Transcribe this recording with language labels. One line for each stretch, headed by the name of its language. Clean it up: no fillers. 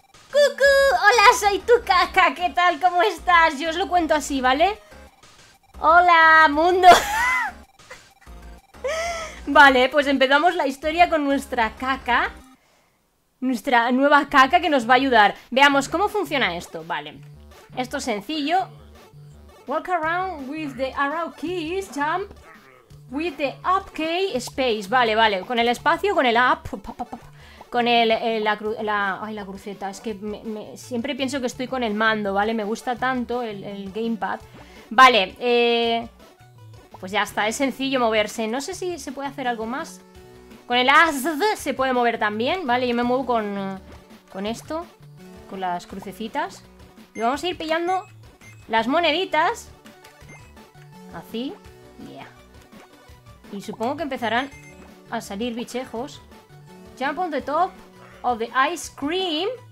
Spanish: ¡Cucú! ¡Hola! Soy tu caca. ¿Qué tal? ¿Cómo estás? Yo os lo cuento así, ¿vale? ¡Hola, mundo! Vale, pues empezamos la historia con nuestra caca. Nuestra nueva caca que nos va a ayudar. Veamos cómo funciona esto, vale. Esto es sencillo.
English: Walk around with the arrow keys, jump with the up key space.
Spanish: Vale, vale, con el espacio, con el up. Con la cruceta. Es que siempre pienso que estoy con el mando, ¿vale? Me gusta tanto el gamepad. Vale, pues ya está, es sencillo moverse. No sé si se puede hacer algo más. Con el AZ se puede mover también, ¿vale? Yo me muevo con esto. Con las crucecitas. Y vamos a ir pillando las moneditas. Así. Yeah. Y supongo que empezarán a salir bichejos.
English: Jump on the top of the ice cream.